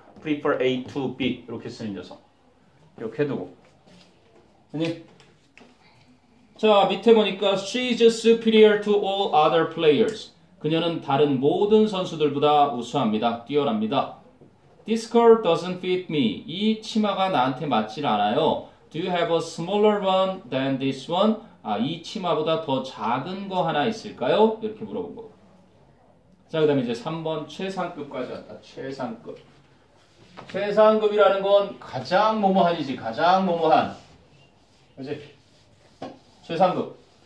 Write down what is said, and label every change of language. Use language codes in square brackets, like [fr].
[ko] prefer A to B 이렇게 쓰는 녀석. 이렇게 해두고. 아니요. 자, [en] 밑에 보니까 she is superior to all other players. [ko] 그녀는 다른 모든 선수들보다 우수합니다. 뛰어납니다. [en] This skirt doesn't fit me. [ko] 이 치마가 나한테 맞질 않아요. [en] Do you have a smaller one than this one? [ko] 아, 이 치마보다 더 작은 거 하나 있을까요? 이렇게 물어본 거. 자, 그다음에 이제 3번 최상급까지 왔다. 최상급. 최상급이라는 건 가장 모모한이지. 가장 모모한. 그렇지? 최상급.